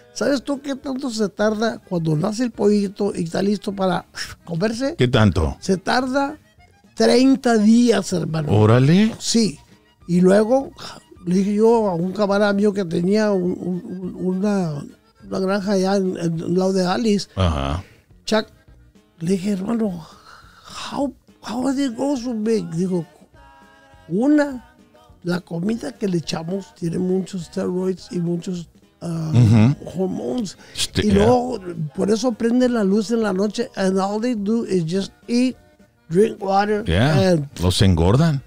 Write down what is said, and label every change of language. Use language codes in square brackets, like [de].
[es] ¿Sabes tú qué tanto se tarda cuando nace el pollito y está listo para comerse? ¿Qué tanto? Se tarda 30 días, hermano. ¡Órale! Sí. Y luego... Le dije yo a un camarada mío que tenía una granja allá en el lado de Alice. Ajá. [en] Chuck, [es] le dije, hermano, [en] how are they going to make? [es] Dijo, una, la comida que le echamos tiene muchos steroids y muchos hormones. Luego, por eso prende la luz en la noche [en] and all they do is just eat, drink water. Yeah, and, [es] los engordan.